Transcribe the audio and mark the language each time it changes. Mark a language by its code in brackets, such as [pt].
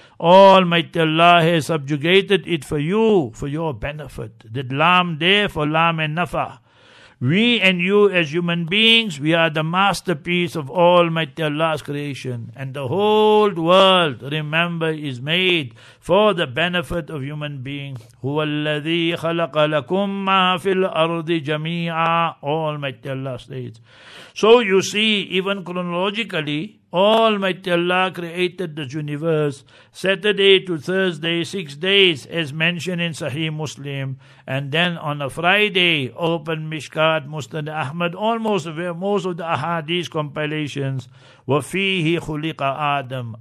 [en] Almighty Allah has subjugated it for you, for your benefit. Did lam there for lam and nafa. We and you as human beings, we are the masterpiece of Almighty Allah's creation. And the whole world, remember, is made for the benefit of human beings. [ar] هُوَ الَّذِي خَلَقَ لَكُمْ مَا فِي الْأَرْضِ جَمِيعًا, [en] Almighty Allah states. So you see, even chronologically, Almighty Allah created this universe, Saturday to Thursday, 6 days, as mentioned in Sahih Muslim. And then on a Friday, open Mishkat, Musnad Ahmad, almost where most of the Ahadith compilations, [ar] وَفِيهِ خُلِقَ [en] Adam.